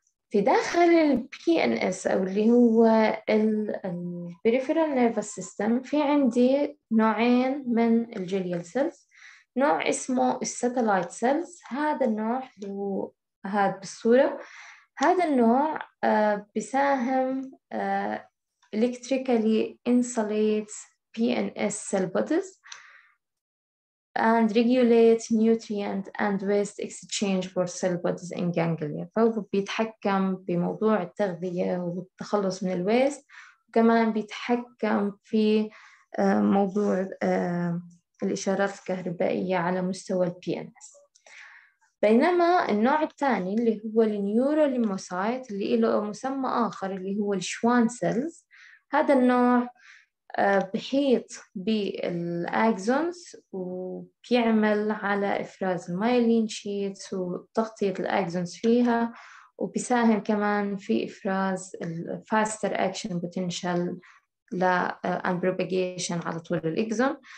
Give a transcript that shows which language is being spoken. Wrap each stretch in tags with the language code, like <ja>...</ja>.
<ar>في داخل الـ PNS أو اللي هو الـ Peripheral Nervous System في عندي نوعين من الجليال سيلز. نوع اسمه الساتلايت سيلز، هذا النوع اللي هو هذا بالصورة. هذا النوع بيساهم</ar> <en>electrically insulates PNS cell bodies and regulate nutrient and waste exchange for cell bodies in ganglia.</en> <ar>فهو بيتحكم بموضوع التغذية والتخلص من الويست، وكمان بيتحكم في موضوع الإشارات الكهربائية على مستوى الـ PNS. بينما النوع الثاني اللي هو النيورولمفوسايت اللي له مسمى آخر اللي هو الشوان سيلز، هذا النوع بحيط بالأكسونز وبيعمل على إفراز الميلين شيتس وتغطية الأكسونز فيها، وبيساهم كمان في إفراز الفاستر أكشن بوتنشال للبروباجيشن على طول الأكسون.</ar>